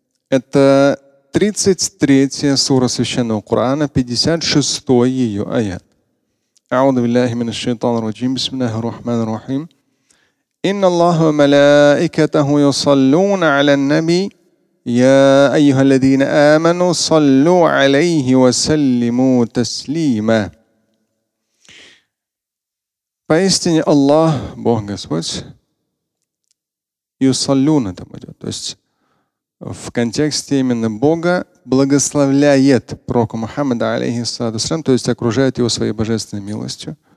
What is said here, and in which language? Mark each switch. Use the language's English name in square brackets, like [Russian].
[Russian] Это 33-я сура Священного Корана, 56-й ее аят. [Arabic] أعوذ بالله من الشيطان الرجيم بسم الله الرحمن الرحيم إن الله وملائكته يصلون على النبي يا أيها الذين آمنوا صلوا عليه وسلموا تسليما. [Russian] Поистине Аллах, Бог Господь, يصلون там идет, то есть в контексте именно Бога благословляет пророка Мухаммада, [Arabic] алейхиссаляту вассалям, [Russian] то есть окружает его своей божественной милостью.